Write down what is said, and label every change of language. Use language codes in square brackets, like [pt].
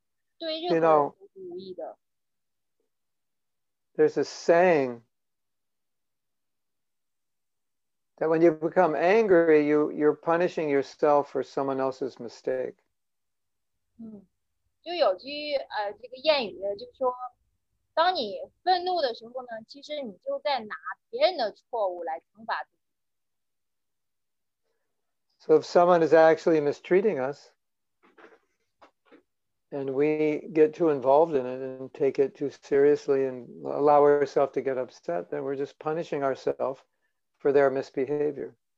[zh] 那么你就需要问自己，难道我需要浪费我的这个精力，让我的心意一直冥想着，就是别人对我造成的这种伤害吗？就是我的这种担心、这种焦虑，其实对任何人都是无益的。 [en] There's a saying that when you become angry, you're punishing yourself for someone else's mistake. [zh] 就有句这个谚语，就是说，当你愤怒的时候呢，其实你就在拿别人的错误来惩罚自己。 [en] So if someone is actually mistreating us, and we get too involved in it and take it too seriously and allow ourselves to get upset, then we're just punishing ourselves for their misbehavior.